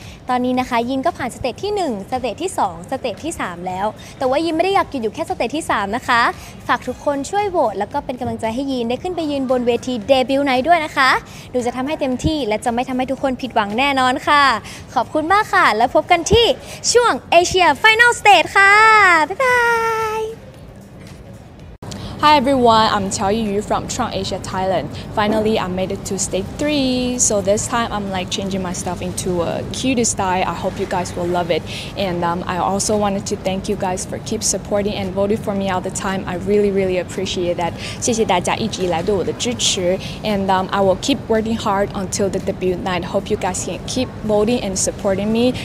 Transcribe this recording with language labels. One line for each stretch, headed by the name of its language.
Thai: ตอนนี้นะคะยินก็ผ่านสเตจที่1สเตจที่2สเตจที่3แล้วแต่ว่ายินไม่ได้อยากหยุดอยู่แค่สเตจที่3นะคะฝากทุกคนช่วยโหวตแล้วก็เป็นกำลังใจให้ยินได้ขึ้นไปยืนบนเวทีเดบิวต์ไนท์ด้วยนะคะหนูจะทำให้เต็มที่และจะไม่ทำให้ทุกคนผิดหวังแน่นอนค่ะขอบคุณมากค่ะแล้วพบกันที่ช่วงเอเชียไฟแนลสเตจค่ะบ๊ายบาย
English: Hi everyone, I'm Chao Yu from Trong Asia Thailand. Finally, I made it to stage 3. So this time I'm like changing my stuff into a cutest style. I hope you guys will love it. And I also wanted to thank you guys for keep supporting and voting for me all the time. I really, really appreciate that.
Chinese: 谢谢大家一直以来对我的支持。
English: And I will keep working hard until the debut night. Hope you guys can keep voting and supporting me.